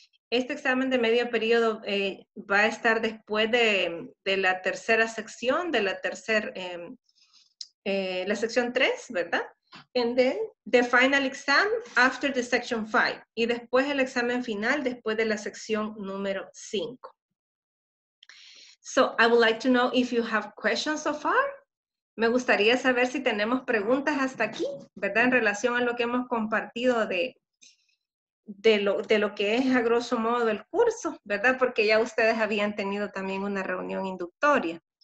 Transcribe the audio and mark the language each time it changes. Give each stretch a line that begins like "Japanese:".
Spanish: Este examen de medio periodo va a estar después de la tercera sección, de la tercera, la sección 3, ¿verdad?
English: And then the final exam after the section 5.
Spanish: Y después el examen final después de la sección número 5.
English: So I would like to know if you have questions so far.
Spanish: Me gustaría saber si tenemos preguntas hasta aquí, ¿verdad? En relación a lo que hemos compartido de lo que es a grosso modo el curso, ¿verdad? Porque ya ustedes habían tenido también una reunión inductoria.